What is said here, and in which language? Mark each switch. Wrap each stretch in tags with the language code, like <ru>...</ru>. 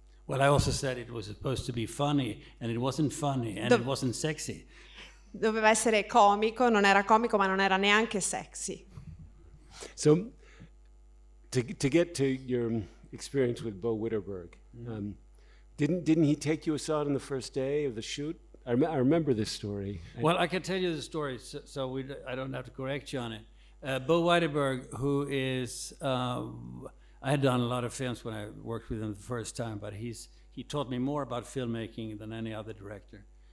<en>Well, I also said it was supposed to be funny, and it wasn't funny, and it wasn't sexy.</en> <it>Doveva essere comico, non era comico, ma non era neanche sexy.</it> <en>So, to get to your experience with Bo Widerberg, Didn't he take you aside on the first day of the shoot? I remember this story. Well, I can tell you the story, so I don't have to correct you on it. Bo Widerberg, who is... I had done a lot of films when I worked with him the first time, but he taught me more about filmmaking than any other director.</en>